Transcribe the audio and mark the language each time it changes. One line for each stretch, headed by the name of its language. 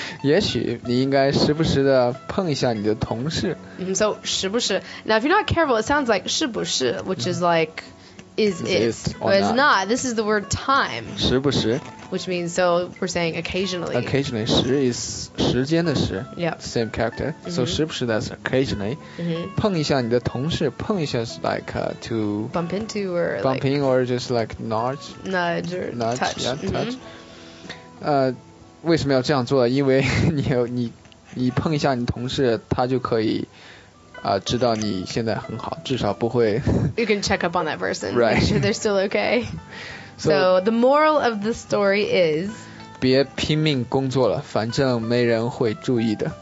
Chinese: 也许你应该时不时的碰一下你的同事
English: So 时不时 Now if you're not careful, it sounds like 是不是 which is like is it or not. This is the word time.
Chinese: 时不时
English: Which means, so we're saying occasionally. Occasionally. 时 is
Chinese: 时间的时
English: Yeah. Same character. So 时不时 that's occasionally.
Chinese: 碰一下你的同事碰一下
English: is like to... Bump into or like... Bump in or just like nudge. Nudge or nudge, touch. Yeah, touch.
Chinese: 为什么要这样做因为你碰一下你同事他就可以知道你现在很好至少不会
English: You can check up on that person Right Make sure they're still okay so the moral of the story is
Chinese: 别拼命工作了反正没人会注意的